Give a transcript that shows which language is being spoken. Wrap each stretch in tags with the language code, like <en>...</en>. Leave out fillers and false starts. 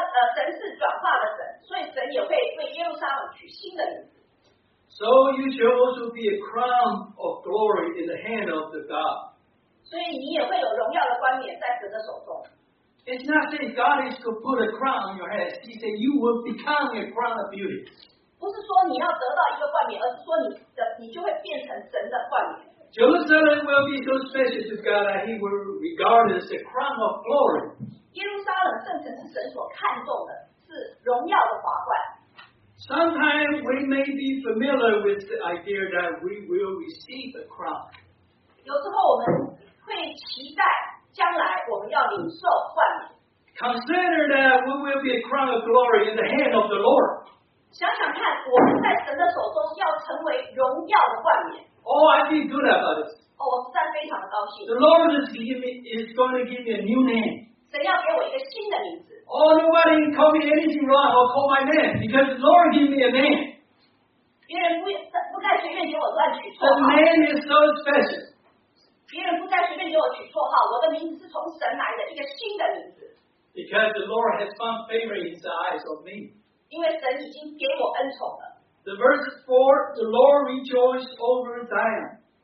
<zh>神是转化的神，所以神也会为耶路撒冷取新的名字。</zh> <en>So you shall also be a crown of glory in the hand of the God.</en> <zh>所以你也会有荣耀的冠冕在神的手中。</zh> <en>It's not saying God is to put a crown on your head. He said you will become a crown of beauty.</en> <zh>不是说你要得到一个冠冕，而是说你就会变成神的冠冕。</zh> <en>Jerusalem will be so special to God that He will regard it as a crown of glory.</en> <zh>耶路撒冷圣城是神所看重的，是荣耀的华冠。</zh> <en>Sometimes we may be familiar with the idea that we will receive a crown.</en> <zh>有时候我们会期待将来我们要领受冠冕。</zh> <en>Consider that we will be a crown of glory in the hand of the Lord.</en> <zh>想想看，我们在神的手中要成为荣耀的冠冕。</zh> <en>Oh, I feel good about this.</en> <zh>哦，我实在非常的高兴。</zh> <en>The Lord is going to give me a new name.</en> <zh>神要给我一个新的名字。</zh> <en>Oh, nobody can call me anything wrong or call my name because the Lord gave me a name.</en> <zh>别人不再随便给我乱取绰号。</zh> <en>The name is so special.</en> <zh>别人不再随便给我取绰号，我的名字是从神来的一个新的名字。</zh> <en>Because the Lord has found favor in the eyes of me.</en> <zh>因为神已经给我恩宠了。</zh> <en>The verse is 4, the Lord rejoiced over Zion.</en>